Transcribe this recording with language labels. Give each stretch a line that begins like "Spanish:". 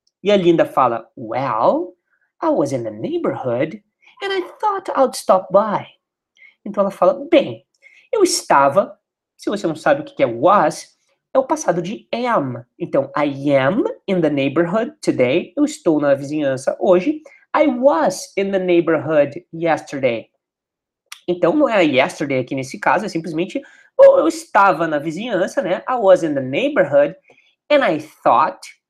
Portuguese: E a Linda fala,
English: well, I was in the neighborhood and I thought I'd stop by.
Portuguese: Então ela fala, bem, eu estava, se você não sabe o que é was, é o passado de am.
English: Então, I am in the neighborhood today.
Portuguese: Eu estou na vizinhança hoje.
English: I was in the neighborhood yesterday.
Portuguese: Então, não é a yesterday aqui nesse caso, é simplesmente oh, eu estava na vizinhança, né?
English: I was in the neighborhood and I thought.